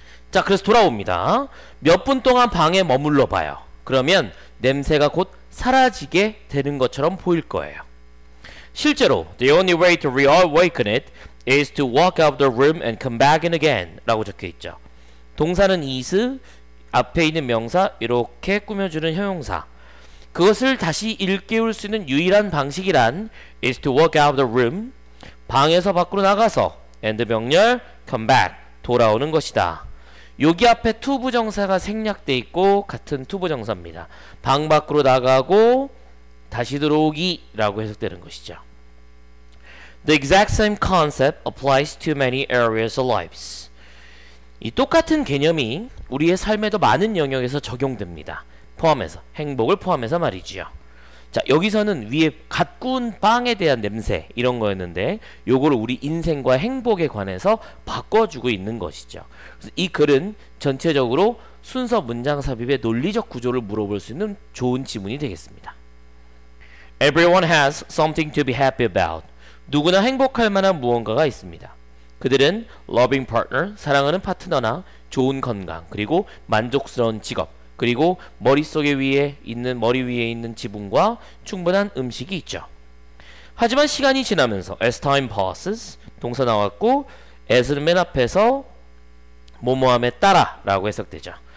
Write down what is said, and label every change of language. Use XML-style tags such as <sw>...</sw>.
<ko>자, 그래서 돌아옵니다. 몇분 동안 방에 머물러 봐요. 그러면 냄새가 곧 사라지게 되는 것처럼 보일 거예요.</ko> <en>실제로 the only way to reawaken it is to walk out of the room and come back in again</en> <ko>라고 적혀 있죠. 동사는 is, 앞에 있는 명사 이렇게 꾸며주는 형용사. 그것을 다시 일깨울 수 있는 유일한 방식이란</ko> <en>is to walk out of the room,</en> <ko>방에서 밖으로 나가서 and 명렬</ko> <en>come back</en> <ko>돌아오는 것이다. 여기 앞에 to 부정사가 생략돼 있고 같은 to 부정사입니다. 방 밖으로 나가고 다시 들어오기라고 해석되는 것이죠.</ko> <en>The exact same concept applies to many areas of lives.</en> <ko>이 똑같은 개념이 우리의 삶에도 많은 영역에서 적용됩니다. 포함해서 행복을 포함해서 말이지요. 자, 여기서는 위에 갓 구운 빵에 대한 냄새 이런 거였는데 요거를 우리 인생과 행복에 관해서 바꿔주고 있는 것이죠. 그래서 이 글은 전체적으로 순서 문장 삽입의 논리적 구조를 물어볼 수 있는 좋은 지문이 되겠습니다.</ko> <en>Everyone has something to be happy about.</en> <ko>누구나 행복할 만한 무언가가 있습니다. 그들은 loving partner, 사랑하는 파트너나 좋은 건강, 그리고 만족스러운 직업, 그리고 머릿속에 위에 있는, 머리 위에 있는 지붕과 충분한 음식이 있죠. 하지만 시간이 지나면서,</ko> <en>as time passes,</en> <ko>동사 나왔고, as는 맨 앞에서, 뭐뭐함에 따라, 라고 해석되죠.</ko>